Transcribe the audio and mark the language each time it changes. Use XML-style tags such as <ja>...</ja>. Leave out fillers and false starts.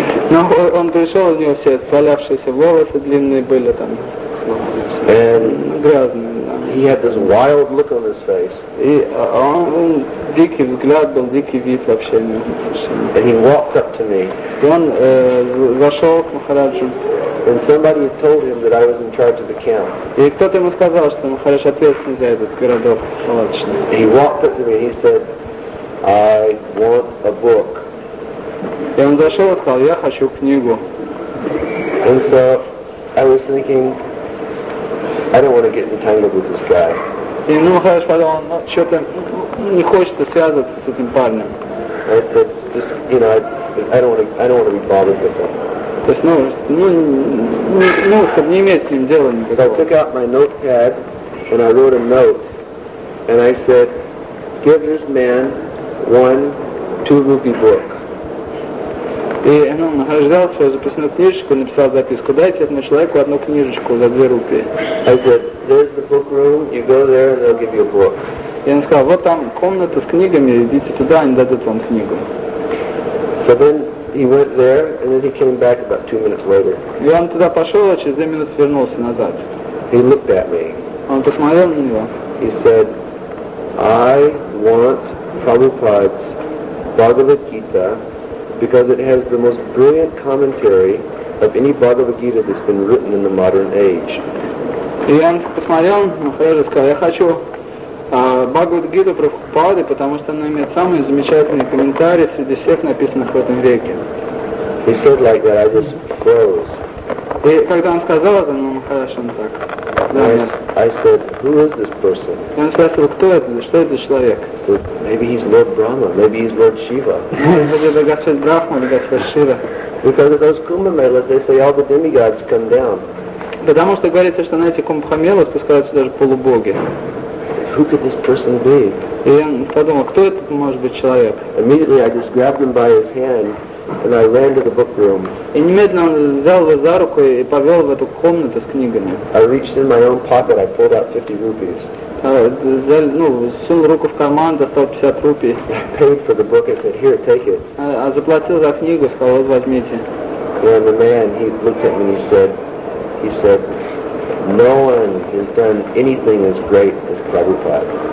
<ru>Ну, он пришел, у него все свалявшиеся волосы длинные были там. Грязные.</ru> <en>He had this wild look on his face.</en> <ru>Он дикий взгляд был, дикий вид вообще.</ru> <en>And he walked up to me.</en> <ru>Он зашел к Махараджу.</ru> <en>And somebody told him that I was in charge of the camp.</en> <ru>И кто-то ему сказал, что Махарадж ответственный за этот городок.</ru> <en>And he walked up to me and he said, I want a book.</en> <ru>И он зашел и сказал, я хочу книгу.</ru> <en>And so I was thinking, I don't want to get entangled with this guy.</en> <ru>И ну Махарадж подумал, ну что-то не хочется связываться с этим парнем.</ru> <en>I said, just, you know, I don't want to be bothered with him.</en> <ru>То есть, ну, чтобы не иметь с ним дела никакого.</ru> <en>So I took out my notepad and I wrote a note and I said, give this man one 2-rupee book.</en> <ru>И ну, Махарадж взял свою записную книжечку, написал записку, дайте этому человеку одну книжечку за 2 рупии.</ru> <en>I said, there's the book room, you go there and they'll give you a book.</en> <ru>И он сказал, вот там комната с книгами, идите туда, они дадут вам книгу.</ru> <en>So then he went there and then he came back about 2 minutes later.</en> <ru>И он туда пошел, а через 2 минуты вернулся назад.</ru> <en>He looked at me.</en> <ru>Он посмотрел на него.</ru> <en>He said, I want Prabhupada's Bhagavad Gita. Because it has the most brilliant commentary of any Bhagavad Gita that's been written in the modern age.</en> <ru>И он посмотрел, Махарадж сказал, я хочу Бхагавад Гиту Прабхупады, потому что она имеет самые замечательные комментарии среди всех написанных в этом веке.</ru> <en>He said like that, I just froze.</en> <ru>И когда он сказал это, ну, Махарадж, он так.</ru> <en>I said, who is this person?</en> <ru>И он спросил, кто это, что это за человек?</ru> <en>Maybe he's Lord Brahma, maybe he's Lord Shiva. Because at those Kumbh Melas, they say all the demigods come down.</en> <ru>Потому что говорится, что на эти кумбхамелы спускаются даже полубоги.</ru> <en>Who could this person be?</en> <ru>И он подумал, кто это может быть человек?</ru> <en>Immediately I just grabbed him by his hand and I ran to the book room.</en> <ru>И немедленно он взял его за руку и повел в эту комнату с книгами.</ru> <en>I reached in my own pocket, I pulled out 50 rupees.</en> <ru>взял, ну, сунул руку в карман, достал 50 рупий.</ru> <en>I paid for the book and said, here, take it.</en> <ru>А заплатил за книгу, сказал, вот возьмите.</ru> <en>And the man, he looked at me and he said, no one has done anything as great as Prabhupada.</en>